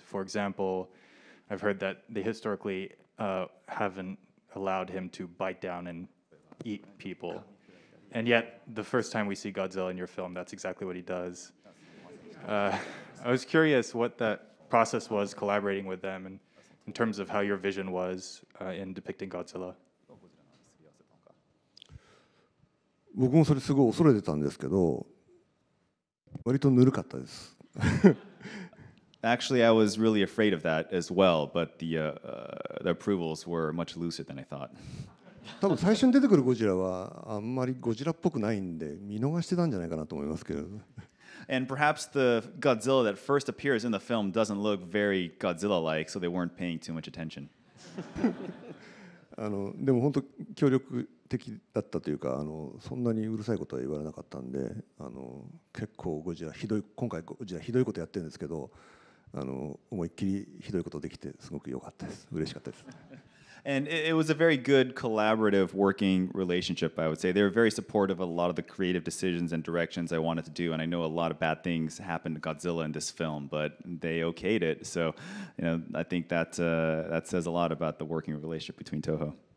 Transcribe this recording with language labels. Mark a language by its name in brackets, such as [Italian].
[English] For example, I've heard that they historically haven't allowed him to bite down and eat people. And yet, the first time we see Godzilla in your film, that's exactly what he does. I was curious what that process was collaborating with them and in terms of how your vision was in depicting Godzilla. [Japanese] 僕もそれすごい恐れてたんですけど、割とぬるかったです。 [English] Actually, I was really afraid of that as well, but the approvals were much looser than I thought. [Japanese] 多分最初に出てくるゴジラはあんまりゴジラっぽくないんで、見逃してたんじゃないかなと思いますけど。 [English] And perhaps the Godzilla that first appears in the film doesn't look very Godzilla-like, so they weren't paying too much attention. [Japanese] でも本当協力的だったというか、そんなにうるさいことは言われなかったんで、結構ゴジラひどい、今回ゴジラひどいことやってるんですけど、思いっきりひどいことできてすごく良かったです。嬉しかったです。 [English] And it was a very good collaborative working relationship, I would say. They were very supportive of a lot of the creative decisions and directions I wanted to do. And I know a lot of bad things happened to Godzilla in this film, but they okayed it. So, you know, I think that, that says a lot about the working relationship between Toho.